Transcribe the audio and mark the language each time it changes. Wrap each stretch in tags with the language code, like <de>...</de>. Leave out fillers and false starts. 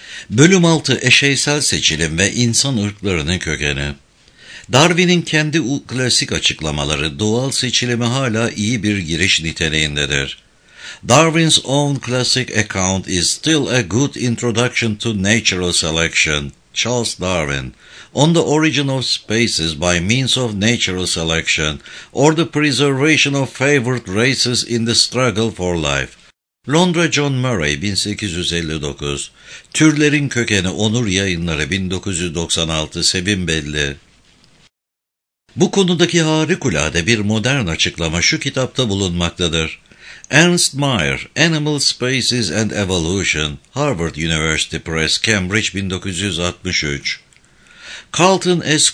<tr>Bölüm 6, Eşeysel Seçilim ve İnsan Irklarının Kökeni. Darwin'in kendi klasik açıklamaları, doğal seçilimi hala iyi bir giriş niteliğindedir.</tr> <en>Darwin's own classic account is still a good introduction to natural selection. Charles Darwin, On the Origin of Species by Means of Natural Selection, or the Preservation of Favored Races in the Struggle for Life.</en> <tr>Londra John Murray, 1859. Türlerin Kökeni, Onur Yayınları, 1996, Sevim Belli. Bu konudaki harikulade bir modern açıklama şu kitapta bulunmaktadır.</tr> <en>Ernst Mayr, Animal Species and Evolution, Harvard University Press, Cambridge, 1963. Carlton S.</en>